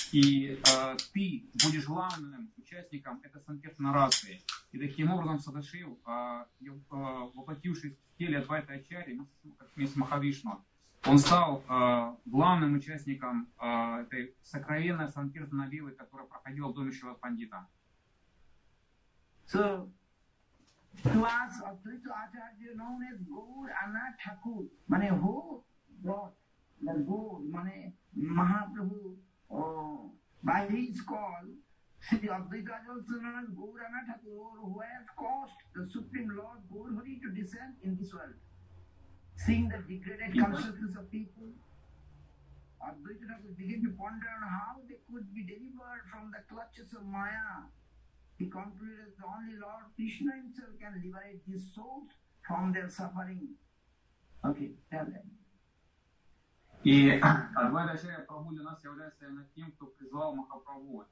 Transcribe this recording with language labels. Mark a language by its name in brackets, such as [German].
[Russian] И ты будешь главным участником этой Санкиртаной расы. И таким образом Садашив, воплотившись в теле Адвайта Ачарьи, вместе с Махавишну, он стал главным участником этой сокровенной Санкиртаной лилы, которая проходила в доме Шивас Пандита. [English] So, class of Tritu Acharya known as Gaur Anath Thakur, Mane, who brought the Gaur, Mane, Mahaprabhu, by his call, Sri Advaita Acharya also known as Gaur Anath Thakur, who has caused the Supreme Lord Gaur Hari to descend in this world. Seeing the degraded consciousness of people, Advaita Acharya began to ponder on how they could be delivered from the clutches of Maya. He concluded that only Lord Krishna himself can liberate his soul from their suffering. Okay, tell them. [Russian] И Адвайта Ачарья Прабху для нас является именно тем, кто призвал Махапрабху.